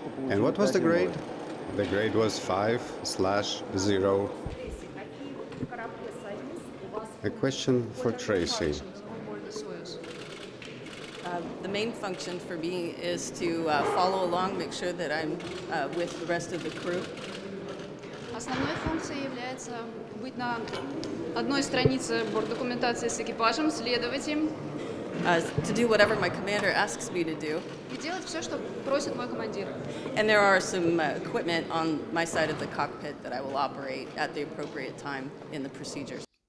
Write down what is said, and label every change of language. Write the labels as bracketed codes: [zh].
[en] And what was the grade? The grade was 5/0. A question for Tracy. The main function for me is to follow along, make sure that I'm with the rest of the crew. [ru] Основной функцией является быть на одной странице борт-документации с экипажем, следовать им. [en] To do whatever my commander asks me to do. [ru] И делать все, что просит мой командир. [en] And there are some equipment on my side of the cockpit that I will operate at the appropriate time in the procedures.